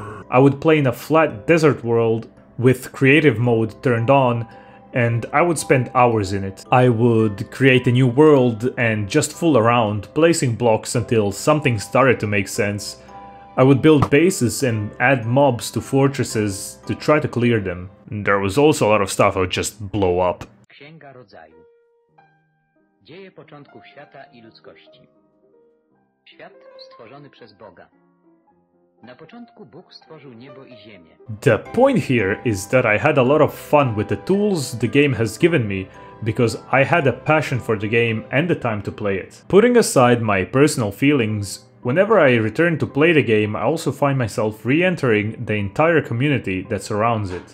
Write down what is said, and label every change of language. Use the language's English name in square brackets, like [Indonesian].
[English] I would play in a flat desert world with creative mode turned on, and I would spend hours in it. I would create a new world and just fool around, placing blocks until something started to make sense. I would build bases and add mobs to fortresses to try to clear them. There was also a lot of stuff I would just blow up. [Polish] Księga Rodzaju. Dzieje początków świata i ludzkości. Świat stworzony przez Boga. Na początku Bóg stworzył niebo i ziemię. [English] The point here is that I had a lot of fun with the tools the game has given me, because I had a passion for the game and the time to play it. Putting aside my personal feelings, whenever I return to play the game, I also find myself re-entering the entire community that surrounds it.